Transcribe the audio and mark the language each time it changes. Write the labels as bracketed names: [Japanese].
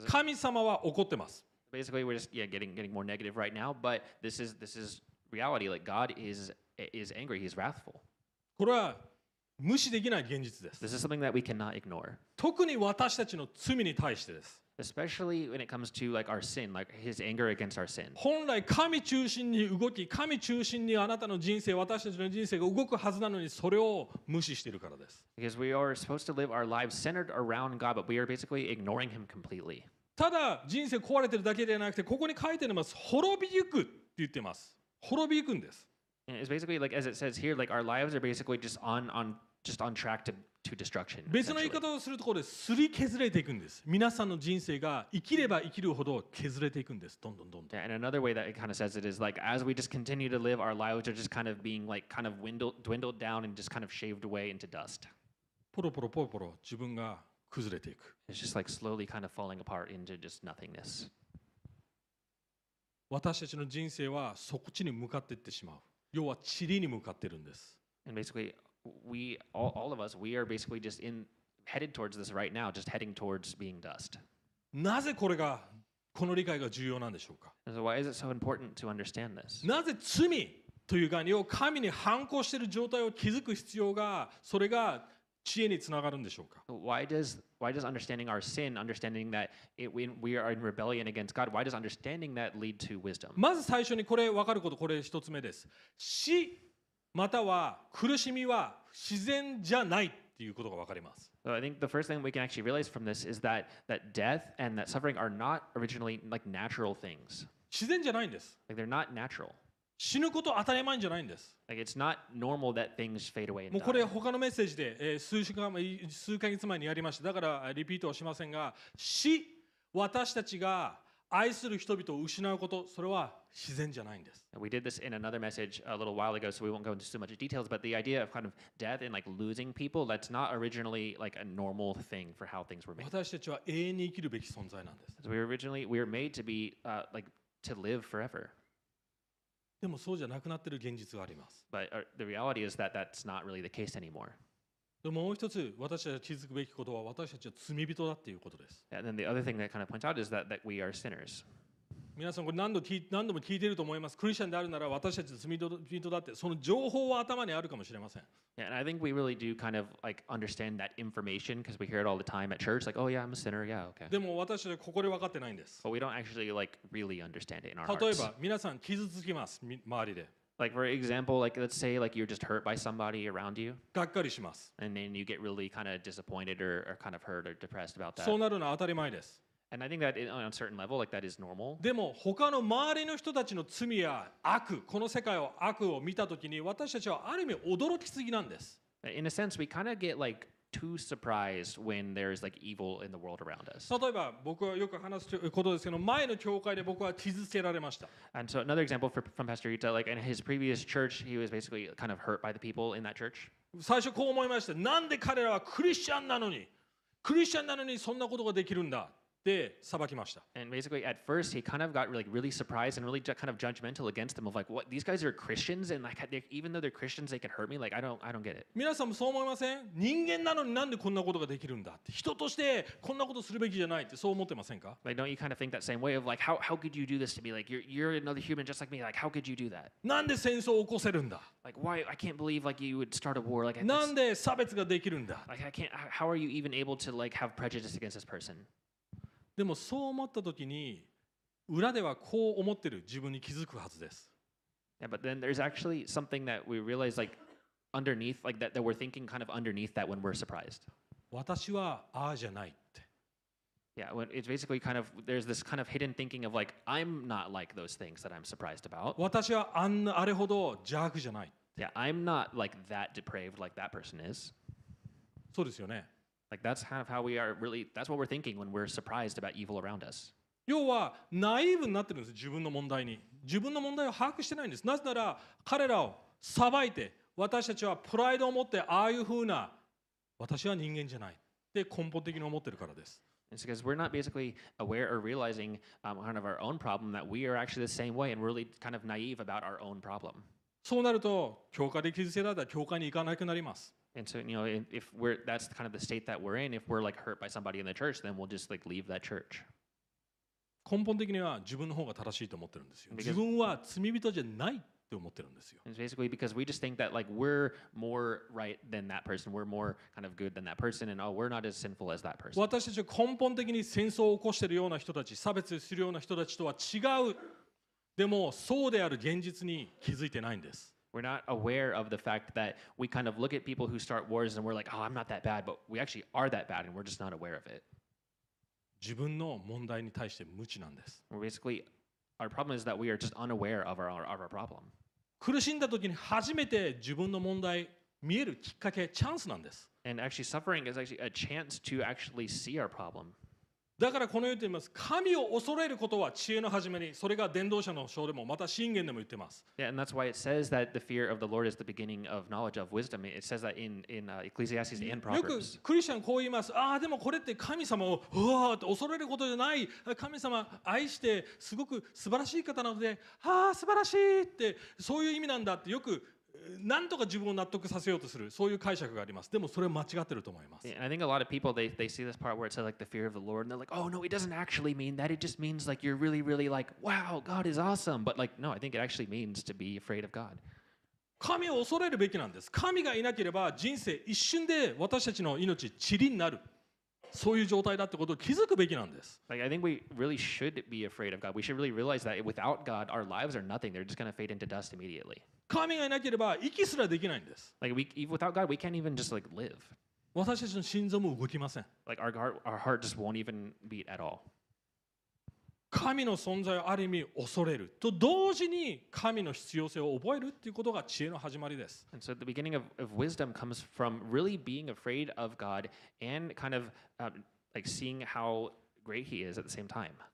[Japanese] 神様は怒ってます。 [English] Basically, we're just getting more negative right now, but this is reality. Like God is angry. He's wrathful. [Japanese] これは無視できない現実です。 [English] This is something that we cannot ignore. [Japanese] 特に私たちの罪に対してです。 [English] Especially when it comes to like our sin, like his anger against our sin. [Japanese] 本来神中心に動き、神中心にあなたの人生、私たちの人生が動くはずなのに、それを無視しているからです。 [English] Because we are supposed to live our lives centered around God, but we are basically ignoring him completely. [Japanese] ただ人生壊れてるだけではなくて、ここに書いてあります。滅びゆくって言ってます。滅びゆくんです。 [English] And it's basically like as it says here, like our lives are basically just on track to destruction. [Japanese] 別の言い方をするところで、すり削れていくんです。皆さんの人生が生きれば生きるほど削れていくんです。どんどんどんどん。 [English] And another way that it kind of says it is like as we just continue to live, our lives are just kind of being like kind of dwindled down and just kind of shaved away into dust. [Japanese] ポロポロポロポロ自分が崩れていく。 [English] It's just like slowly kind of falling apart into just nothingness. [Japanese] 私たちの人生はそこちに向かっていってしまう。要は塵に向かってるんです。 [English] And basically,all of us, we are basically just headed towards this right now, just heading towards being dust. [Japanese] なぜこれが、この理解が重要なんでしょうか? [English] So why is it so important to understand this? [Japanese] なぜ罪という概念を神に反抗している状態を気づく必要が、それが知恵につながるんでしょうか? [English] Why does understanding our sin, understanding that we are in rebellion against God, why does understanding that lead to wisdom? [Japanese] まず最初にこれ分かること、これ一つ目です。死または苦しみは自然じゃないっていうことが分かります。 [English] So I think the first thing we can actually realize from this is that death and that suffering are not originally like natural things. [Japanese] 自然じゃないんです。 [English] Like they're not natural. [Japanese] 死ぬこと当たり前じゃないんです。 [English] Like it's not normal that things fade away. [Japanese] もうこれ他のメッセージで数ヶ月前にやりました。だからリピートはしませんが、死、私たちが愛する人々を失うこと、それは自然じゃないんです。 [English] We did this in another message a little while ago, so we won't go into too much details, but the idea of kind of death and like losing people, that's not originally like a normal thing for how things were made. [Japanese] 私たちは永遠に生きるべき存在なんです。 [English] So we were made to be like to live forever. [Japanese] でもそうじゃなくなってる現実があります。 [English] But the reality is that that's not really the case anymore. [Japanese] でももう一つ私たちが気づくべきことは私たちは罪人だっていうことです。 [English] And then the other thing that kind of points out is that we are sinners. [Japanese] 皆さんこれ何度も聞いていると思います。クリスチャンであるなら私たちの罪人だってその情報は頭にあるかもしれません。 [English] Yeah, and I think we really do kind of like understand that information because we hear it all the time at church. Like, oh yeah, I'm a sinner. Yeah, okay. [Japanese] でも私たちはここで分かってないんです。 [English] But we don't actually like really understand it in our hearts. [Japanese] 例えば皆さん傷つきます周りで。 [English] Like for example, like let's say like you're just hurt by somebody around you. [Japanese] がっかりします。 [English] And then you get really kind of disappointed or kind of hurt or depressed about that. [Japanese] そうなるのは当たり前です。 [English] And I think that on a certain level, like that is normal. [Japanese] でも他の周りの人たちの罪や悪、この世界を悪を見たときに私たちはある意味驚きすぎなんです。 [English] In a sense, we kind of get like too surprised when there is like evil in the world around us. [Japanese] 例えば僕はよく話すことですけど、前の教会で僕は傷つけられました。 [English] And so another example from Pastor Yuta, like in his previous church, he was basically kind of hurt by the people in that church. [Japanese] 最初こう思いました。なんで彼らはクリスチャンなのに、クリスチャンなのにそんなことができるんだ。で裁きました。 [English] And basically, at first, he kind of got like really surprised and really kind of judgmental against them of like, what these guys are Christians and like they, even though they're Christians, they can hurt me. Like I don't get it. [Japanese] 皆さんもそう思いません？人間なのになんでこんなことができるんだって。人としてこんなことするべきじゃないってそう思ってませんか [English] ？Like don't you kind of think that same way of like how could you do this to me? Like you're another human just like me. Like how could you do that? [Japanese] なんで戦争を起こせるんだ [English] ？Like why I can't believe like you would start a war like [Japanese] なんで差別ができるんだ [English] ？Like I can't. How are you even able to like have prejudice against this person? [Japanese] でもそう思ったときに裏ではこう思ってる自分に気づくはずです。 [English] Yeah, but then there's actually something that we realize like underneath, like that we're thinking kind of underneath that when we're surprised. [Japanese] 私はああじゃないって。 [English] Yeah, when it's basically kind of there's this kind of hidden thinking of like I'm not like those things that I'm surprised about. [Japanese] 私はあんなあれほど邪悪じゃないって。 [English] Yeah, I'm not like that depraved like that person is. [Japanese] そうですよね。 [English] Like that's kind of how we are really, that's what we're thinking when we're surprised about evil around us. [Japanese] 要はナイーブになってるんです、自分の問題に。自分の問題を把握してないんです。なぜなら彼らを裁いて、私たちはプライドを持って、ああいうふうな、私は人間じゃないって根本的に思ってるからです。 [English] It's because we're not basically aware or realizing kind of our own problem, that we are actually the same way and really kind of naive about our own problem. [Japanese] そうなると、教会で傷つけられたら教会に行かなくなります。 [English] And so, you know, if we're, that's kind of the state that we're in, if we're like hurt by somebody in the church, then we'll just like leave that church. [Japanese] 根本的には自分の方が正しいと思ってるんですよ。自分は罪人じゃないって思ってるんですよ。 [English] It's basically because we just think that like we're more right than that person, we're more kind of good than that person, and oh, we're not as sinful as that person. [Japanese] 私たちは根本的に戦争を起こしているような人たち、差別するような人たちとは違う。でもそうである現実に気づいてないんです。 [English] We're not aware of the fact that we kind of look at people who start wars and we're like, oh, I'm not that bad, but we actually are that bad and we're just not aware of it. [Japanese] 自分の問題に対して無知なんです。 [English] We're basically, our problem is that we are just unaware of our problem. [Japanese] 苦しんだ時に初めて自分の問題見えるきっかけ、チャンスなんです。 [English] And actually suffering is actually a chance to actually see our problem. [Japanese] だからこの言っています。神を恐れることは知恵の始めに、それが伝道者の章でも、また箴言でも言ってます。 [English] Yeah, and that's why it says that the fear of the Lord is the beginning of knowledge of wisdom. It says that in Ecclesiastes and Proverbs. [Japanese] よくクリスチャンこう言います。ああ、でもこれって神様をうわーって恐れることじゃない。神様愛してすごく素晴らしい方なので、ああ素晴らしいってそういう意味なんだってよく。何とか自分を納得させようとするそういう解釈があります。でもそれは間違ってると思います。 [English] Yeah, I think a lot of people they see this part where it says like the fear of the Lord and they're like, oh no, it doesn't actually mean that. It just means like you're really, really like, wow, God is awesome. But like, no, I think it actually means to be afraid of God. [Japanese] 神を恐れるべきなんです。神がいなければ人生一瞬で私たちの命塵になる。そういう状態だってことを気づくべきなんです。 [English] Like, I think we really should be afraid of God. We should really realize that without God, our lives are nothing. They're just going to fade into dust immediately. [Japanese] 神がいなければ息すらできないんです。 [English] Like, without God, we can't even just like live. [Japanese] 私たちの心臓も動きません。 [English] Like, our heart just won't even beat at all. [Japanese] 神の存在をある意味恐れると同時に神の必要性を覚えるっていうことが知恵の始まりです。 [English] And so the beginning of wisdom comes from really being afraid of God and kind of like seeing how great He is at the same time.